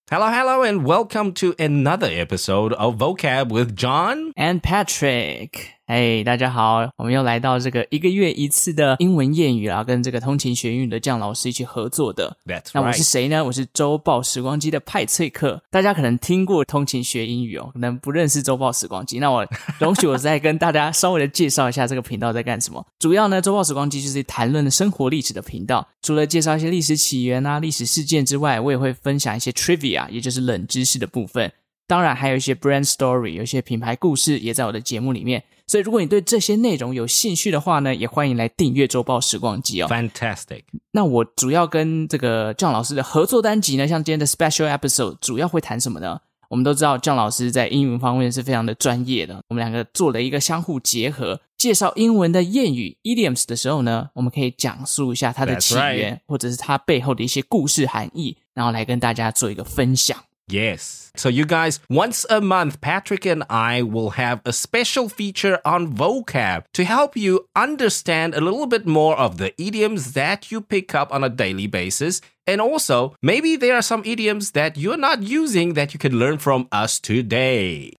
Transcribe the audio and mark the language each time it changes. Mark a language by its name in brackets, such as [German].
[English] Hello, hello, and welcome to another episode of Vocab with John and Patrick. [Chinese] Hey, 大家好，我们又来到这个一个月一次的英文谚语啦，跟这个通勤学英语的酱老师一起合作的。 [English] That's right. [Chinese] 那我是谁呢？我是周报时光机的派翠克。大家可能听过通勤学英语哦，可能不认识周报时光机。那我容许我再跟大家稍微的介绍一下这个频道在干什么。主要呢，周报时光机就是谈论生活历史的频道。除了介绍一些历史起源啊、历史事件之外，我也会分享一些 trivia， 也就是冷知识的部分。当然还有一些 brand story， 有一些品牌故事也在我的节目里面。所以如果你对这些内容有兴趣的话呢，也欢迎来订阅周报时光机哦。 [English] Fantastic. [Chinese] 那我主要跟这个John老师的合作单集呢，像今天的 special episode， 主要会谈什么呢？我们都知道John老师在英文方面是非常的专业的。我们两个做了一个相互结合，介绍英文的谚语 idioms 的时候呢，我们可以讲述一下它的起源，或者是它背后的一些故事含义，然后来跟大家做一个分享。 [English] Yes. So you guys, once a month, Patrick and I will have a special feature on Vocab to help you understand a little bit more of the idioms that you pick up on a daily basis. And also, maybe there are some idioms that you're not using that you can learn from us today.